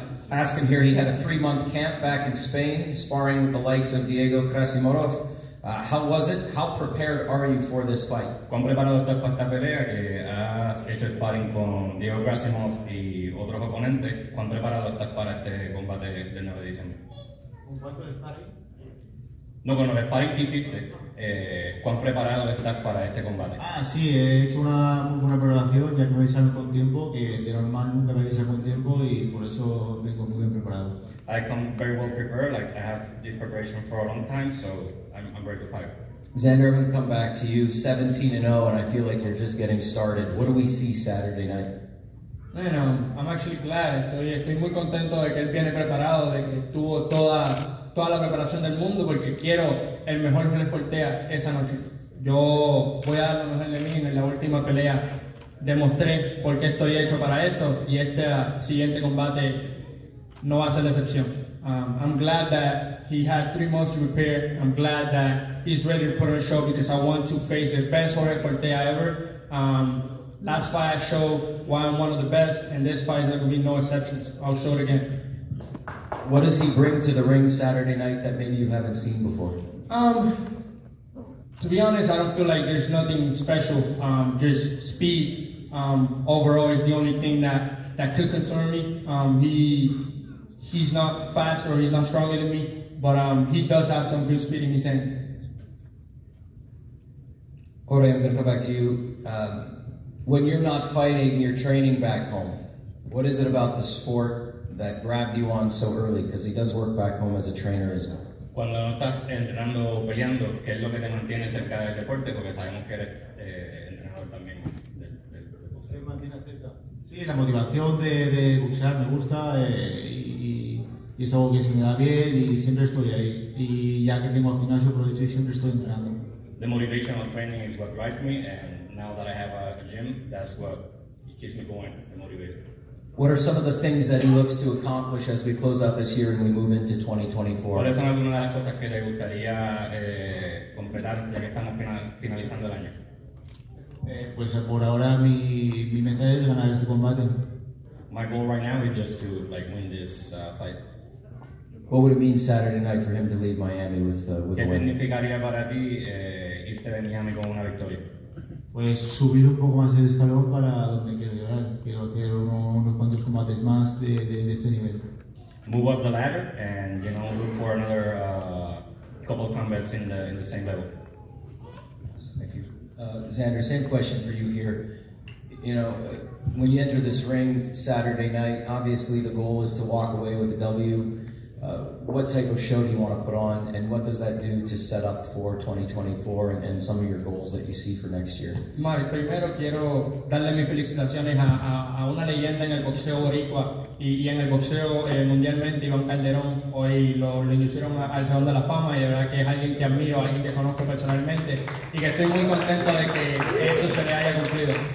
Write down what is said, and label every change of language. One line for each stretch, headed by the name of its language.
English: Ask him here, he had a three-month camp back in Spain, sparring with the likes of Diego Krasimorov. How was it? How prepared are you for this fight?
Spanish: ¿Cuán preparado estás para esta pelea? Que has hecho sparring con Diego Krasimov y otros oponentes. ¿Cuán preparado estás para este combate del 9 de diciembre? ¿Con cuánto sparring? No, con los sparring que hiciste. ¿Cuán preparado estás para este combate? Ah, sí, he hecho una muy buena preparación, ya que me salgo con tiempo, que de normal nunca me salgo con tiempo y por eso vengo muy bien preparado.
English: I come very well prepared, like I have this preparation for a long time, so I'm ready to fight. Xander, I'm going to come back to you, 17-0, and I feel like you're just getting started. What do we see Saturday night? Bueno, I'm actually glad.
Spanish: Estoy muy contento de que él viene preparado, de que tuvo toda la preparación del mundo, porque quiero el mejor Rafael Portea esa noche. Yo voy a dar lo mejor de mí en la última pelea. Demostré por qué estoy hecho para esto, y este siguiente combate no va a ser la excepción.
English: I'm glad that he had 3 months to prepare. I'm glad that he's ready to put on a show, because I want to face the best Rafael Portea ever. Last fight I showed why I'm one of the best, and this fight is going to be no exceptions. I'll show it again. What does he bring to the ring Saturday night that maybe you haven't seen before? To be honest, I don't feel like there's nothing special. Just speed overall is the only thing that could concern me. He's not fast, or he's not stronger than me, but he does have some good speed in his hands. Jorge, I'm going to come back to you. When you're not fighting, you're training back home. What is it about the sport that grabbed you on so early? Because he does work back home as a trainer as well.
Spanish: Cuando no estás entrenando o peleando, ¿qué es lo que te mantiene cerca del deporte? Porque sabemos que eres entrenador también del deporte. Sí, la motivación de boxear me gusta y es algo que se me da bien y siempre estoy ahí. Y ya que tengo el gimnasio, por lo dicho, siempre estoy entrenando.
English: The motivation of training is what drives me, and now that I have a gym, that's what keeps me going and motivated. What are some of the things that he looks to accomplish as we close out this year and we move into 2024?
Spanish: ¿Cuáles son algunas de las cosas que le gustaría completar ya que estamos finalizando el año? Pues por ahora mi meta es ganar este combate.
English: My goal right now is just to like win this fight. What would it mean Saturday night for him to leave Miami with a win?
Spanish: ¿Qué significaría para ti irte de Miami con una victoria? Pues subir un poco más el escalón para donde quiero llegar. Quiero hacer unos cuantos combates más de este nivel.
English: Move up the ladder and, you know, look for another couple of combats in the same level. Thank you. Xander, same question for you here. You know, when you enter this ring Saturday night, obviously the goal is to walk away with a W. What type of show do you want to put on, and what does that do to set up for 2024 and some of your goals that you see for next year?
Spanish: Mari, primero quiero darle mis felicitaciones a una leyenda en el boxeo boricua y en el boxeo mundialmente, Iván Calderón. Hoy lo inducieron al Salón de la Fama y de verdad que es alguien que admiro, alguien que conozco personalmente y que estoy muy contento de que eso se le haya cumplido.